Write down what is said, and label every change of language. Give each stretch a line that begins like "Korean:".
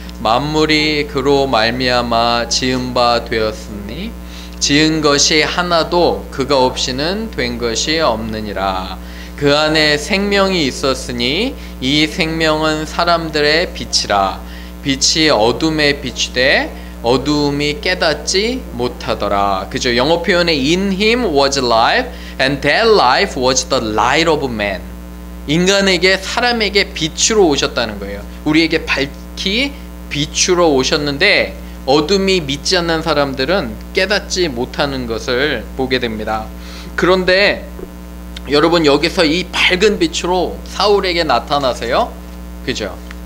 Korean: 만물이 그로 말미암아 지은 바 되었으니 지은 것이 하나도 그가 없이는 된 것이 없느니라. 그 안에 생명이 있었으니 이 생명은 사람들의 빛이라. 빛이 어둠에 비추되 어두움이 깨닫지 못하더라. 그죠? 영어 표현에
English: In him was life and that life was the light of man.
Korean: 인간에게 사람에게 빛으로 오셨다는 거예요. 우리에게 밝히 빛으로 오셨는데 어둠이 믿지 않는 사람들은 깨닫지 못하는 것을 보게 됩니다. 그런데 여러분 여기서 이 밝은 빛으로 사울에게 나타나세요. 그죠?